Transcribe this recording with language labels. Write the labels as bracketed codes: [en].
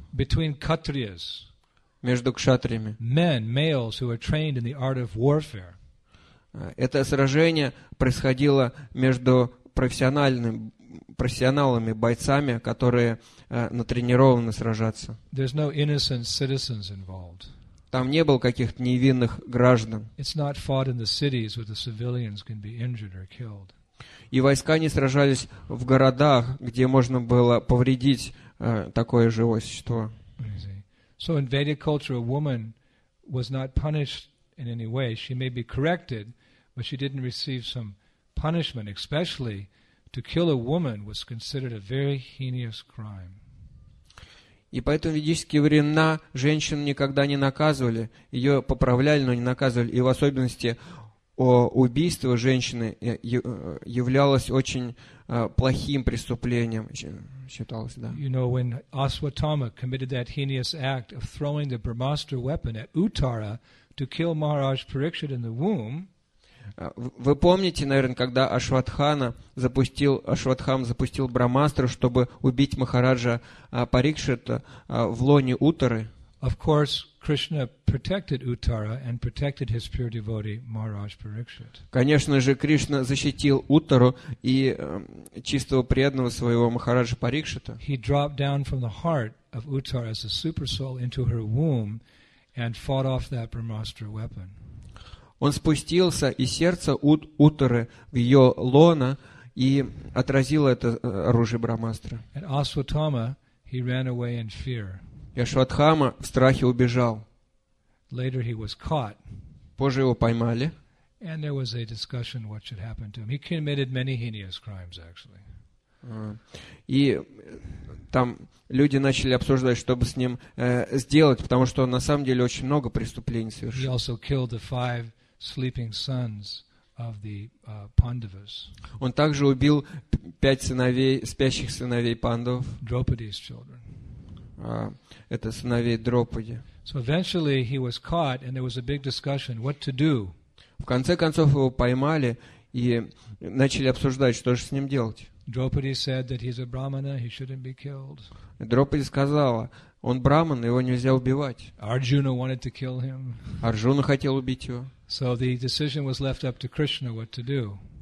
[en] Between Kshatriyas, [ru] между кшатриями. [en] Men, males who are trained in the art of warfare. [ru] Это сражение происходило между профессионалами, бойцами, которые натренированы сражаться. [en] There's no innocent citizens involved. [ru] Там не было каких-то невинных граждан. [en] It's not fought in the cities where the civilians can be injured or killed. [ru] И войска не сражались в городах, где можно было повредить такое живое существо. [en] So in Vedic culture, a woman was not punished in any way. She may be corrected, but she didn't receive some punishment. Especially to kill a woman was considered a very heinous crime. [ru] И поэтому в ведические времена женщину никогда не наказывали, ее поправляли, но не наказывали. И в особенности убийство женщины являлось очень плохим преступлением, считалось, да. [en] You know, when Aswatthama committed that heinous act of throwing the Brahmastra weapon at Uttara to kill Maharaj Parikshit in the womb. [ru] Вы помните, наверное, когда Ашватхама запустил Брахмастру, чтобы убить Махараджа Парикшита в лоне Уттары? [en] Of course, Krishna protected Uttara and protected his pure devotee Maharaj Parikshit. [ru] Конечно же, Кришна защитил Уттару и чистого преданного своего Махараджа Парикшита. [en] He dropped down from the heart of Uttara as a super soul into her womb and fought off that Brahmastra weapon. [ru] Он спустился из сердца Уттары в ее лоно и отразил это оружие Брахмастра. [en] And Aswatthama, he ran away in fear. [ru] И Ашватхама в страхе убежал. [en] Later he was caught. [ru] Позже его поймали. [en] And there was a discussion what should happen to him. He committed many heinous crimes, actually. [ru] И там люди начали обсуждать, что бы с ним сделать, потому что он на самом деле очень много преступлений совершил. [en] He also killed the five sleeping sons of the Pandavas. [ru] Он также убил пять сыновей, спящих сыновей Пандов. [en] Дропади's children. [ru] Это сыновей Дропади. [en] So eventually he was caught and there was a big discussion what to do. [ru] В конце концов его поймали и начали обсуждать, что же с ним делать. [en] Дропади said that he's a brahmana, he shouldn't be killed. [ru] Дропади сказала: он браман, его нельзя убивать. [en] Arjuna wanted to kill him. [ru] Арджуна хотел убить его. [en] So the decision was left up to Krishna what to do.